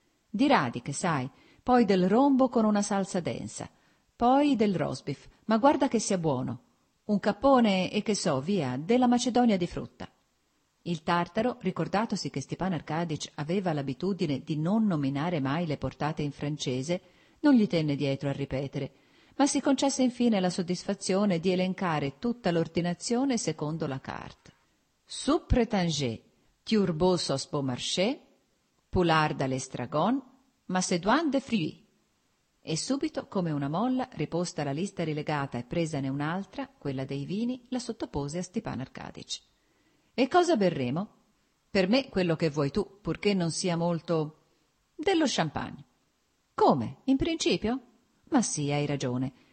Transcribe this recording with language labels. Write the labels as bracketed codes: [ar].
[it] «Di radiche, sai, poi del rombo con una salsa densa, poi del roast beef, ma guarda che sia buono, un cappone e che so, via, della macedonia di frutta». Il tartaro, ricordatosi che Stepan Arkadyč aveva l'abitudine di non nominare mai le portate in francese, non gli tenne dietro a ripetere, ma si concesse infine la soddisfazione di elencare tutta l'ordinazione secondo la carte. [fr] «Soupe prétanger, turbot sauce beaumarchais, poulard à l'estragon, macédoine de fruits». [it] E subito, come una molla, riposta la lista rilegata e presane un'altra, quella dei vini, la sottopose a Stepan Arkadyč. «E cosa berremo? Per me quello che vuoi tu, purché non sia molto... dello champagne». «Come? In principio? Ma sì, hai ragione.